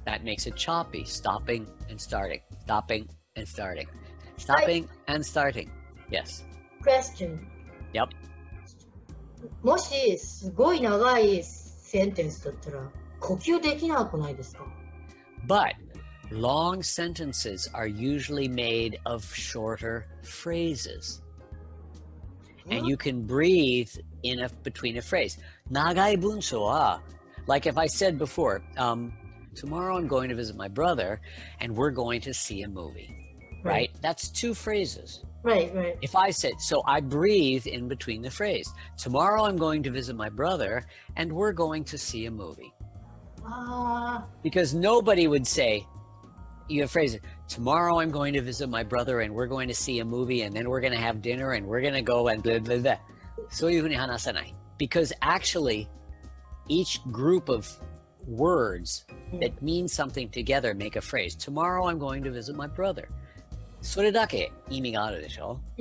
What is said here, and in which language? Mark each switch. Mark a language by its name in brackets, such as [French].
[English] That makes it choppy. Stopping and starting. Stopping and starting. Stopping and starting. Yes. Question. Yep. [Japanese] もしすごい長いセンテンスだったら呼吸できなくないですか？ [English] But long sentences are usually made of shorter phrases. And you can breathe in a, between a phrase. [Japanese] 長い文章は、 [English] like if I said before, tomorrow I'm going to visit my brother and we're going to see a movie. Right? Right. That's two phrases. Right, right. If I said, so I breathe in between the phrase. Tomorrow I'm going to visit my brother and we're going to see a movie. Because nobody would say, you have phrases, tomorrow I'm going to visit my brother and we're going to see a movie and then we're going to have dinner and we're going to go and blah, blah, blah. So you can [Japanese] 話せない. [English] Because actually, each group of words that mean something together make a phrase. Tomorrow I'm going to visit my brother. [Japanese] それだけ意味があるでしょ?